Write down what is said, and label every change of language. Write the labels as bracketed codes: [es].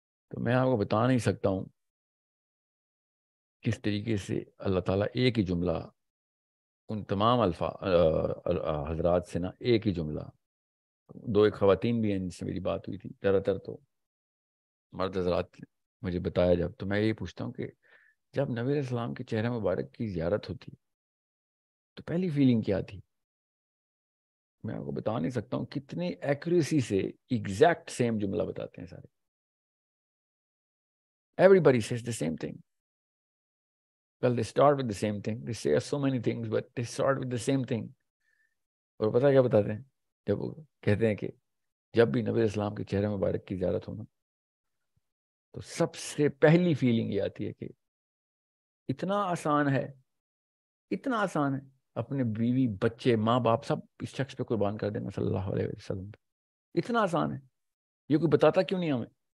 [ur] تو میں آپ کو بتا نہیں سکتا ہوں کس طریقے سے اللہ تعالیٰ ایک ہی جملہ ان تمام الفا حضرات سے نا, ایک ہی جملہ, دو ایک خواتین بھی ہیں جن سے میری بات ہوئی تھی, زیادہ تر تو مرد حضرات مجھے بتایا جب, تو میں یہ پوچھتا ہوں کہ جب نبی علیہ السلام کے چہرہ مبارک کی زیارت ہوتی تو پہلی فیلنگ کیا تھی. میں آپ کو بتا نہیں سکتا ہوں کتنی ایکوریسی سے ایگزیکٹ سیم جملہ بتاتے ہیں سارے, [en] everybody says the same thing. Well, they start with the same thing. They say so many things, but they start with the same thing. [ur] اور پتہ کیا بتاتے ہیں, جب وہ کہتے ہیں کہ جب بھی نبی اسلام کے چہرے مبارک کی زیارت ہونا تو سب سے پہلی فیلنگ یہ آتی ہے کہ اتنا آسان ہے, اتنا آسان ہے اپنے بیوی بچے ماں باپ سب اس شخص پہ قربان کر دینا صلی اللہ علیہ وسلم پہ, اتنا آسان ہے, یہ کوئی بتاتا کیوں نہیں ہمیں.